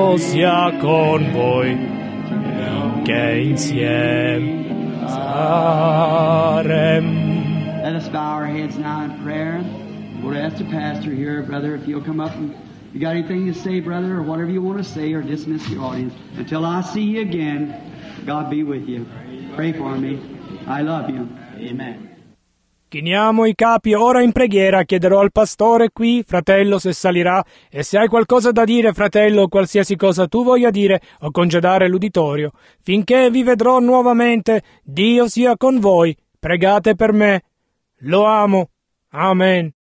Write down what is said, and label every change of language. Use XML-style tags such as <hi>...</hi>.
<it>sia con voi, che insieme saremo.</it> <en>Let us bow our heads now in prayer. We'll ask the pastor here, brother, if you'll come up. And if you got anything to say, brother, or whatever you want to say, or dismiss the audience. Until I see you again, God be with you. Pray for me. I love you. Amen.</en> <it>Chiniamo i capi ora in preghiera, chiederò al pastore qui, fratello, se salirà, e se hai qualcosa da dire, fratello, o qualsiasi cosa tu voglia dire, o congedare l'uditorio, finché vi vedrò nuovamente, Dio sia con voi, pregate per me. Lo amo. Amen.</it>